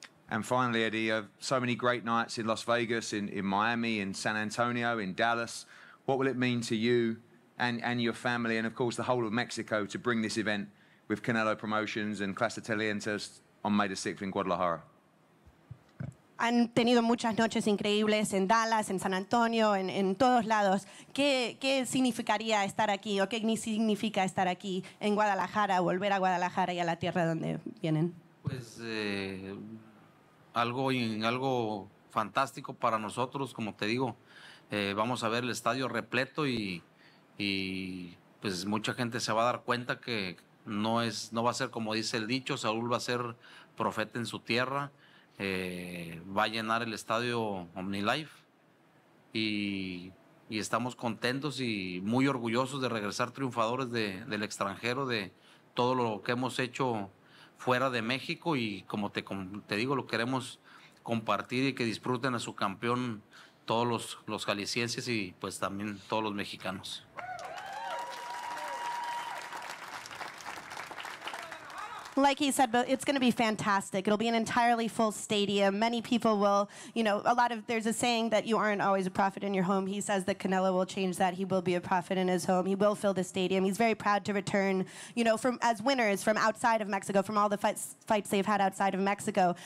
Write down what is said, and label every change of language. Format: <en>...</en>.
<en>And finally, Eddie, so many great nights in Las Vegas, in Miami, in San Antonio, in Dallas. What will it mean to you and your family, and of course the whole of Mexico, to bring this event with Canelo Promotions and Clase de Talientos on May the 6th in Guadalajara?</en> <es>Han tenido muchas noches increíbles en Dallas, en San Antonio, en todos lados. ¿Qué significaría estar aquí, o qué significa estar aquí en Guadalajara, volver a Guadalajara y a la tierra donde vienen? Pues algo fantástico para nosotros, como te digo. Vamos a ver el estadio repleto y pues mucha gente se va a dar cuenta que no va a ser como dice el dicho. Saúl va a ser profeta en su tierra, va a llenar el estadio OmniLife y estamos contentos y muy orgullosos de regresar triunfadores del extranjero, de todo lo que hemos hecho fuera de México, y como te digo, lo queremos compartir y que disfruten a su campeón todos los jaliscienses y pues también todos los mexicanos.</es> <en>Like he said, but it's going to be fantastic. It'll be an entirely full stadium. Many people will, you know, there's a saying that you aren't always a prophet in your home. He says that Canelo will change that. He will be a prophet in his home. He will fill the stadium. He's very proud to return, you know, from as winners from outside of Mexico, from all the fights they've had outside of Mexico.</en>